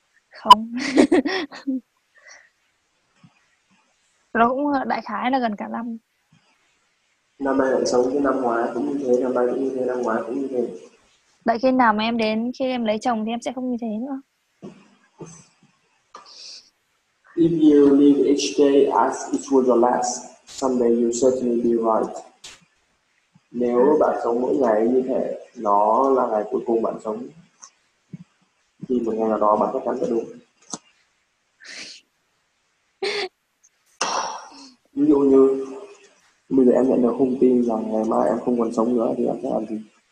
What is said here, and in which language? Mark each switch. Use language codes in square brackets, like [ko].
[vi] Không. Nó cũng đại khái là gần cả năm. Năm nay lại sống như năm ngoái cũng như thế, năm nay cũng như thế, năm ngoái cũng như thế. Vậy khi nào mà em đến, khi em lấy chồng thì em sẽ không như thế nữa. [en] If you live each day as it was the last, someday you certainly be right. [vi] Nếu bạn sống mỗi ngày như thế, nó là ngày cuối cùng bạn sống. Thì một ngày nào đó bạn chắc chắn sẽ đúng. Ví dụ như bây giờ em nhận được thông tin rằng ngày mai em không còn sống nữa thì em sẽ làm gì?